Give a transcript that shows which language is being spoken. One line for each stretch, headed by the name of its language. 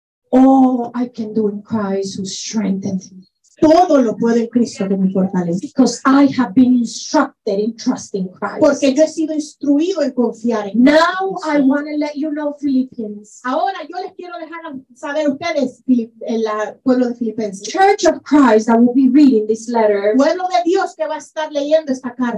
English: all I can do in Christ who strengthens me.
Spanish: Todo lo puedo en Cristo que me fortalece.
English: Because I have been instructed in trusting Christ.
Spanish: Porque yo he sido instruido en confiar en
English: Now Cristo. I want to let you know Philippians.
Spanish: Ahora yo les quiero dejar saber ustedes en la pueblo de Filipenses.
English: Church of Christ that will be reading this letter.
Spanish: Pueblo de Dios que va a estar leyendo esta carta.